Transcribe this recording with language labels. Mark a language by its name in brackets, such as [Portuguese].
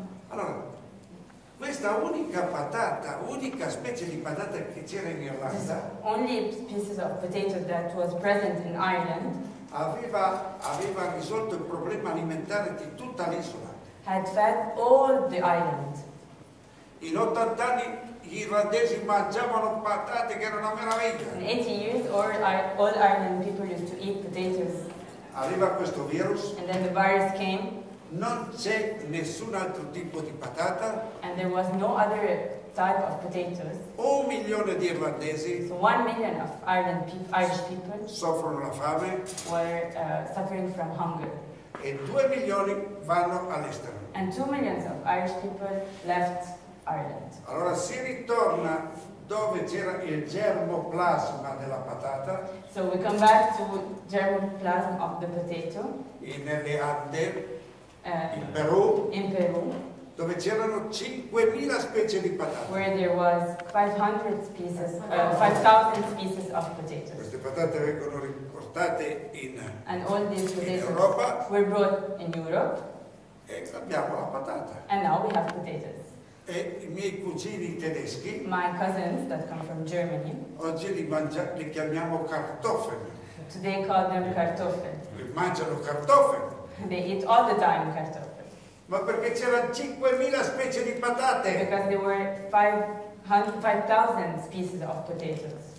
[Italian] Allora, questa unica patata, unica specie di patata che c'era in Irlanda. [English] Only pieces of potato that was present in Ireland. [Italian] Aveva risolto il problema alimentare di tutta l'isola. [English] Had fed all the island. [Italian] In 80 anni gli irlandesi mangiavano patate che era una meraviglia. [English] In 80 years all Ireland people used to eat potatoes. [Italian] Arriva questo virus. [English] And then the virus came. [Italian] Non c'è nessun altro tipo di patata. [English] And there was no other type of potatoes. [Italian] 1 milione di irlandesi. [English] So 1 million of Irish people. [Italian] Soffrono la fame. [English] Were suffering from hunger. [Italian] E 2 milioni vanno all'estero. [English] And 2 million of Irish people left Ireland. [Italian] Allora si ritorna dove c'era il germoplasma della patata. [English] So we come back to germoplasm of the potato. [Italian] E nelle Ande. In Peru, dove c'erano 5.000 specie di patate. [English] Where there was 5,000 species of potatoes. [Italian] Queste patate vengono importate in Europa. [English] And all these potatoes [Italian] Europa, [English] were brought in Europe. [Italian] E abbiamo la patata. [English] And now we have potatoes. [Italian] E i miei cugini tedeschi. [English] My cousins that come from Germany. [Italian] Oggi li chiamiamo kartoffeln. [English] Today call them kartoffeln. [Italian] Li mangiano kartoffeln. [English] They eat all the time kartoffeln. [Italian] Ma perché c'erano 5.000 specie di patate? [English] Because there were 5,000 species of potatoes.